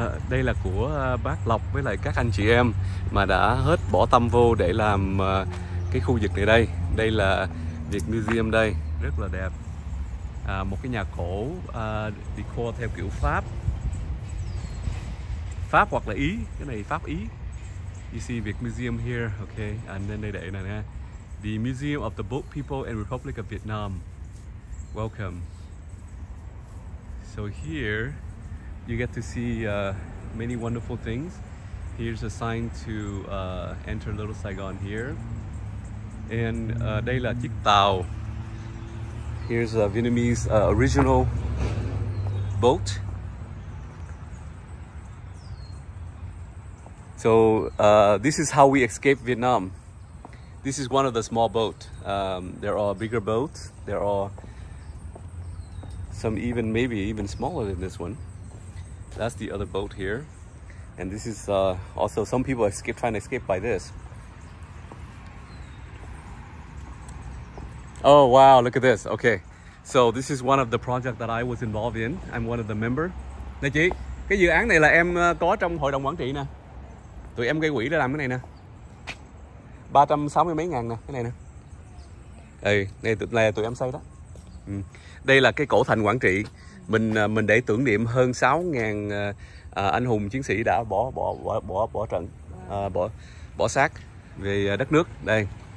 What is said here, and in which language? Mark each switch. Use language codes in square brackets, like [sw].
[vi] Đây là của bác Lộc với lại các anh chị em mà đã hết bỏ tâm vô để làm cái khu vực này đây. Đây là Việt Museum đây, rất là đẹp. Một cái nhà cổ decor theo kiểu Pháp. Pháp hoặc là Ý, cái này Pháp Ý. [en] You see Việt Museum here, okay. And then [vi] đây để này nè. [en] The Museum of the Boat People and Republic of Vietnam. Welcome. So here you get to see many wonderful things. Here's a sign to enter Little Saigon here. And [vi] đây là chiếc tàu. [en] Here's a Vietnamese original boat. So this is how we escaped Vietnam. This is one of the small boat. There are bigger boats. There are some even maybe even smaller than this one. That's the other boat here. And this is also some people escape, trying to escape by this. Oh wow, look at this. Okay. So this is one of the project that I was involved in. I'm one of the member. [vi] Nè chị, cái dự án này là em có trong hội đồng quản trị nè. Tụi em gây quỹ để làm cái này nè. 360 mấy ngàn nè, cái này nè. Đây, này tụi này tụi em xây đó. Đây là cái cổ thành quản trị. Mình để tưởng niệm hơn 6.000 anh hùng chiến sĩ đã bỏ trận, bỏ xác về đất nước đây.